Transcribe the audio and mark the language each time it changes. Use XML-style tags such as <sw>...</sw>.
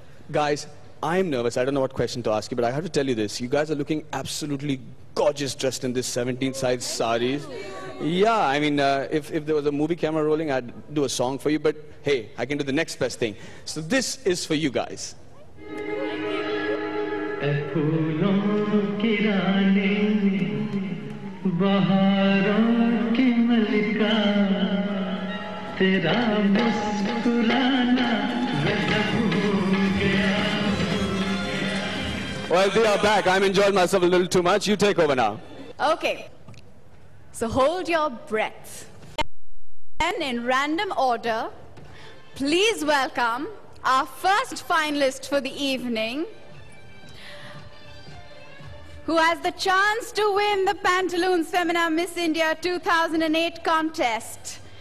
<en>guys, I'm nervous. I don't know what question to ask you, but I have to tell you this. You guys are looking absolutely gorgeous dressed in this 17 size saris. Yeah, I mean, if there was a movie camera rolling, I'd do a song for you. But hey, I can do the next best thing. So this is for you guys.</en> <hi>फूलों की रानी बहारों की मलिका तेरा मुस्कुराना</hi> <en>Well, they are back. I'm enjoying myself a little too much. You take over now. Okay. So hold your breath. And in random order, please welcome our first finalist for the evening, who has the chance to win the Pantaloons Femina Miss India 2008 contest.</en>